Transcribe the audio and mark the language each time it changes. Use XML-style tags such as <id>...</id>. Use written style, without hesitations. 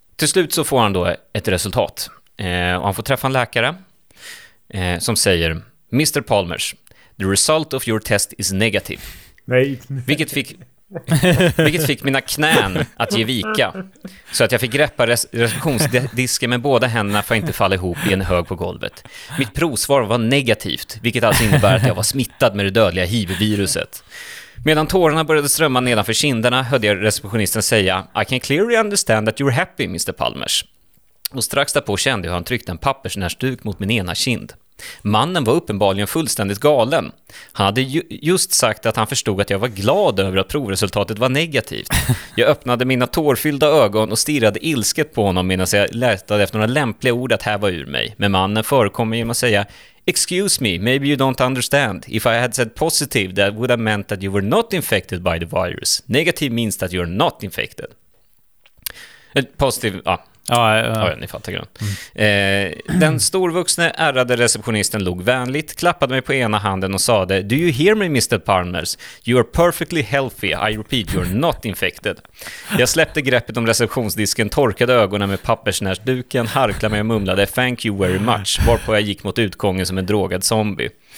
<sv>Till slut så får han då ett resultat och han får träffa en läkare som säger: Mr.</sv> <en>Palmers, the result of your test is negative.</en> <sv>Nej. Vilket fick mina knän att ge vika, så att jag fick greppa receptionsdisken med båda händerna för att inte falla ihop i en hög på golvet. Mitt provsvar var negativt, vilket alltså innebär att jag var smittad med det dödliga HIV-viruset. Medan tårarna började strömma nedanför kinderna hörde jag receptionisten säga:</sv> <en>I can clearly understand that you're happy, Mr. Palmers.</en> <sv>Och strax därpå kände jag hur han tryckte en pappersnärstuk mot min ena kind. Mannen var uppenbarligen fullständigt galen. Han hade just sagt att han förstod att jag var glad över att provresultatet var negativt. Jag öppnade mina tårfyllda ögon och stirrade ilsket på honom medan jag letade efter några lämpliga ord att häva ur mig. Men mannen förekommer genom att säga:</sv> <en>Excuse me, maybe you don't understand. If I had said positive, that would have meant that you were not infected by the virus. Negative means that you're not infected. Positive,</en> <sv>ja. Ja, ni fattar grann. Den storvuxne ärrade receptionisten log vänligt, klappade mig på ena handen och sade:</sv> <en>Do you hear me, Mr. Palmers? You are perfectly healthy. I repeat, you are not infected.</en> <sv>Jag släppte greppet om receptionsdisken, torkade ögonen med pappersnärsduken, harklade mig och mumlade</sv> <en>thank you very much,</en> <sv>varpå jag gick mot utgången som en drogad zombie.</sv>